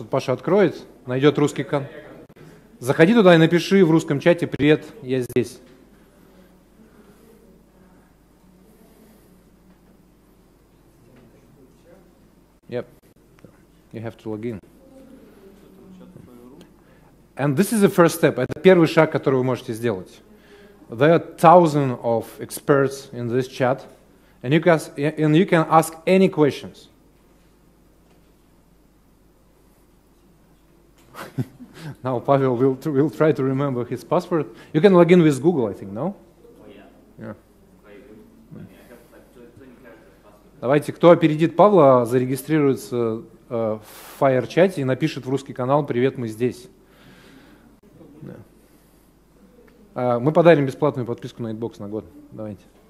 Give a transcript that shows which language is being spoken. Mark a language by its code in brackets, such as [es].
[ru] Вот Паша откроет, найдет русский канал. Заходи туда и напиши в русском чате «Привет, я здесь». [en] Yep. You have to log in. And this is the first step. [ru] Это первый шаг, который вы можете сделать. [en] There are thousands of experts in this chat. And you can ask any questions. Now Pavel will try to remember his password. You can log in with Google, I think, no? Oh, yeah. Yeah. [ru] Давайте, кто опередит Павла, зарегистрируется в фаер-чате и напишет в русский канал «Привет, мы здесь». Мы подарим бесплатную подписку на Itbox на год. Давайте.